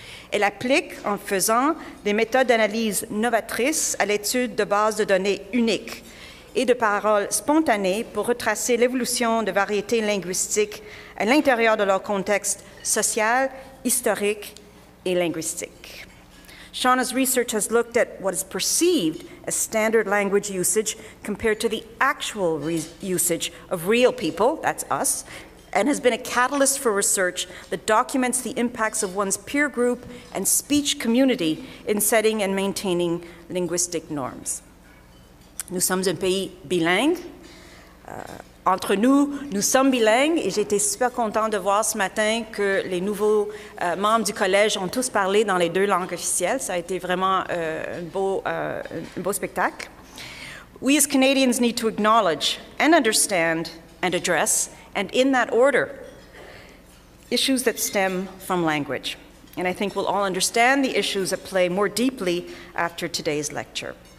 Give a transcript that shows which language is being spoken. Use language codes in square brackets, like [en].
[fr] Elle applique, en faisant, des méthodes d'analyse novatrices à l'étude de bases de données uniques et de paroles spontanées pour retracer l'évolution de variétés linguistiques à l'intérieur de leur contexte social, historique et linguistique. [en] Shana's research has looked at what is perceived as standard language usage compared to the actual usage of real people, that's us, and has been a catalyst for research that documents the impacts of one's peer group and speech community in setting and maintaining linguistic norms. [fr] Nous sommes un pays bilingue. Entre nous, nous sommes bilingues et j'ai été super contente de voir ce matin que les nouveaux membres du collège ont tous parlé dans les deux langues officielles. Ça a été vraiment un beau spectacle. [en] We as Canadians need to acknowledge and understand and address, and in that order, issues that stem from language. And I think we'll all understand the issues at play more deeply after today's lecture.